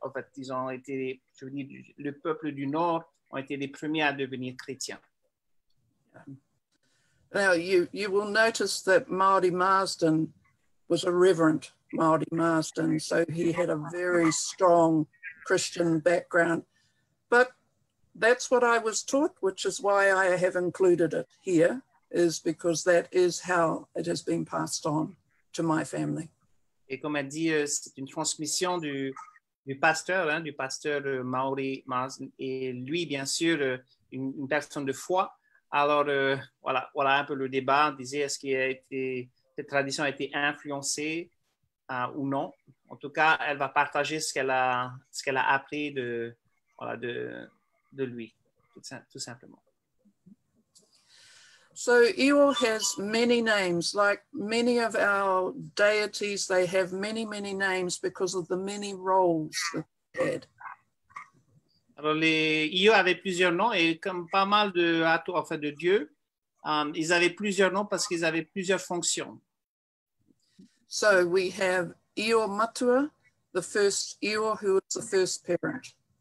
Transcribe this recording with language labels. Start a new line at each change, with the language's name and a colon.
French: En fait, ils ont été, le peuple du Nord ont été les premiers à devenir chrétiens.
English: Now, you will notice that Māori Marsden was a reverend Māori Marsden, so he had a very strong Christian background. But that's what I was taught, which is why I have included it here, is because that is how it has been passed on to my family.
French: Et comme elle dit, c'est une transmission du pasteur, hein, du pasteur Māori Marsden, et lui, bien sûr, une personne de foi. Alors, voilà un peu le débat. On disait, est-ce que cette tradition a été influencée ou non? En tout cas, elle va partager ce qu'elle a appris de lui, tout simplement.
English: So, Iwo has many names. Like many of our deities, they have many, many names because of the many roles that they had.
French: Alors, les Iyo avaient plusieurs noms, et comme pas mal de dieux, ils avaient plusieurs noms parce qu'ils avaient plusieurs fonctions.
English: So we have Iyo Matua, the first Iyo who was the first parent.